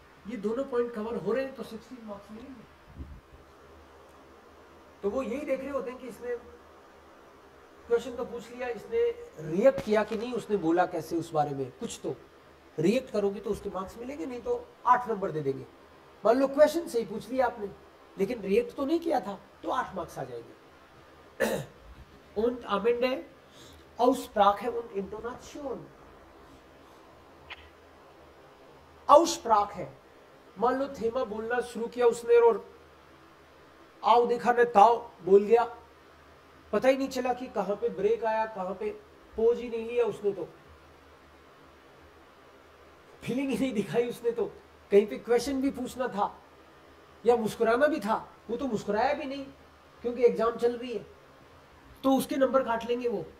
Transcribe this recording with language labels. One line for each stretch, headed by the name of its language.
Hindi: ये दोनों point cover हो रहे हैं तो 16 मार्क्स मिलेंगे. तो वो यही देख रहे होते हैं कि इसने क्वेश्चन तो पूछ लिया, इसने रिएक्ट किया कि नहीं, उसने बोला कैसे उस बारे में, कुछ तो रिएक्ट करोगे तो उसके मार्क्स मिलेंगे, नहीं तो 8 नंबर दे देंगे. मान लो क्वेश्चन से ही पूछ लिया आपने लेकिन रिएक्ट तो नहीं किया था तो 8 मार्क्स आ जाएंगे.
German: Und am Ende Aussprache und Intonation.
Hindi: Aussprache है, मान लो थेमा बोलना शुरू किया उसने और आओ देखा मैं ताओ बोल गया, पता ही नहीं चला कि कहां पे ब्रेक आया, कहां पे पोज ही नहीं लिया उसने, तो फीलिंग ही नहीं दिखाई उसने, तो कहीं पे क्वेश्चन भी पूछना था या मुस्कुराना भी था, वो तो मुस्कुराया भी नहीं क्योंकि एग्जाम चल रही है, तो उसके नंबर काट लेंगे वो.